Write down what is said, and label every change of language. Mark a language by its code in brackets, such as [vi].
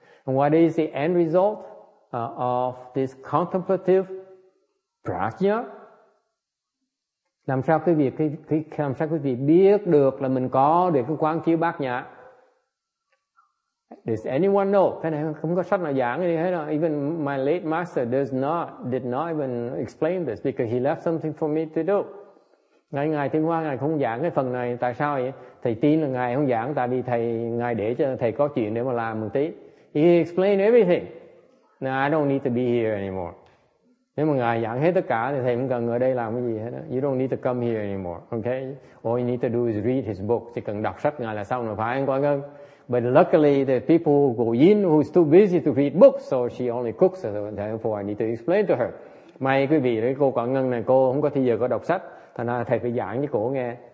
[en] And what is the end result of this contemplative prajna? [vi] Làm sao quý vị làm sao quý vị biết được là mình có được cái quán chiếu bát nhã? [en] Does anyone know? [vi] Cái này không có sách nào giảng gì hết. [en] Even my late master did not even explain this because he left something for me to do. [vi] Ngài Thiên Hoa, Ngài không giảng cái phần này. Tại sao vậy? Thầy tin là Ngài không giảng tại vì Ngài để cho Thầy có chuyện để mà làm một tí. [en] He explained everything. Now I don't need to be here anymore. [vi] Nếu mà Ngài giảng hết tất cả thì Thầy không cần ở đây làm cái gì hết. [en] You don't need to come here anymore. Okay? All you need to do is read his book. [vi] Chỉ cần đọc sách Ngài là xong rồi, phải không Quang Ngân? [en] But luckily the people who go in who is too busy to read books, so she only cooks. So therefore I need to explain to her. [vi] May quý vị, cô Quảng Ngân này, cô không có thời giờ có đọc sách. Thành ra thầy phải giảng cho cô nghe.